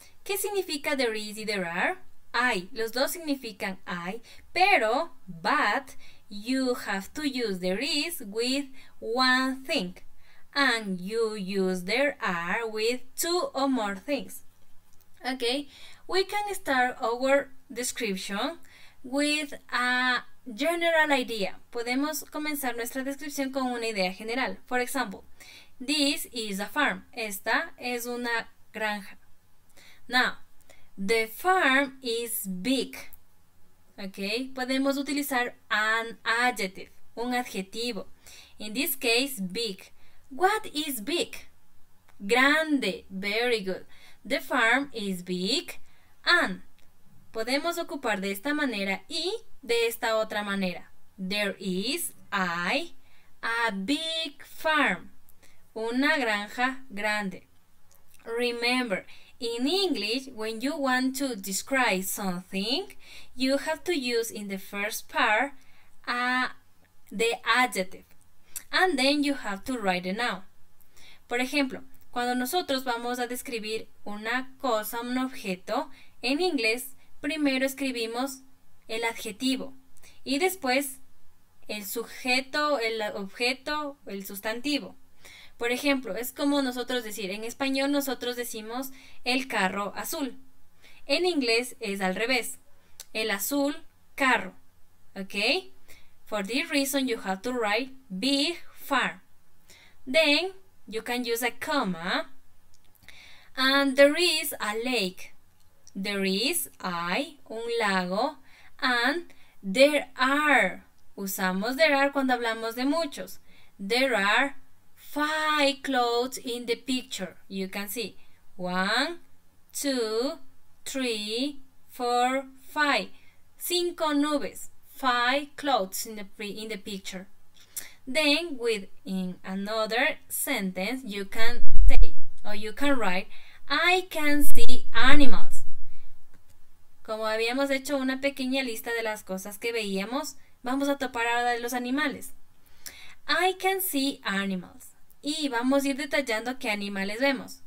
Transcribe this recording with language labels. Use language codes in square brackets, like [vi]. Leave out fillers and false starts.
[es] ¿Qué significa [en] there is y there are? [es] Hay. Los dos significan hay, pero, [en] but, you have to use there is with one thing. And you use there are with two or more things. Okay, we can start our description with a general idea. [es] Podemos comenzar nuestra descripción con una idea general. [en] For example, this is a farm. [es] Esta es una granja. [en] Now, the farm is big. Okay? [es] Podemos utilizar [en] an adjective, [es] un adjetivo. [en] In this case, big. What is big? Grande. Very good. The farm is big. And [es] podemos ocupar de esta manera y de esta otra manera. [en] There is a big farm. [es] Una granja grande. [en] Remember, in English, when you want to describe something, you have to use in the first part the adjective. And then you have to write the noun. [es] Por ejemplo, cuando nosotros vamos a describir una cosa, un objeto, en inglés, primero escribimos el adjetivo y después el sujeto, el objeto, el sustantivo. Por ejemplo, es como nosotros decir, en español nosotros decimos el carro azul. En inglés es al revés, el azul carro. ¿Ok? [en] For this reason you have to write big farm. Then you can use a comma. And there is a lake. There is, [es] hay, un lago, [en] and there are. [es] Usamos [en] there are [es] cuando hablamos de muchos. [en] There are my clothes in the picture? You can see. 1, 2, 3, 4, 5. [es] 5 nubes. [en] 5 clothes in the picture. Then with in another sentence, you can say or you can write, I can see animals. [es] Como habíamos hecho una pequeña lista de las cosas que veíamos, vamos a topar ahora de los animales. [en] I can see animals. [es] Y vamos a ir detallando qué animales vemos.